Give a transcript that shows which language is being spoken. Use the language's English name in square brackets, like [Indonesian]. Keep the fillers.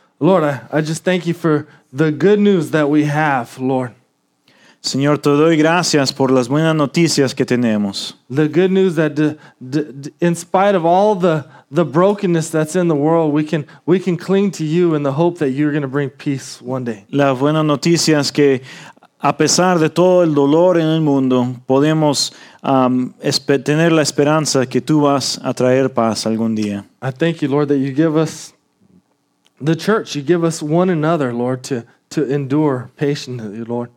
[English] Lord, I, I just thank you for the good news that we have, Lord. [Spanish] Señor, te doy gracias por las buenas noticias que tenemos. [English] The good news that, de, de, de, in spite of all the the brokenness that's in the world, we can we can cling to you in the hope that you're going to bring peace one day. [Spanish] La buena noticia es que a pesar de todo el dolor en el mundo, podemos um, espe- tener la esperanza que tú vas a traer paz algún día. [English] I thank you, Lord, that you give us the church. You give us one another, Lord, to To endure patiently, Lord.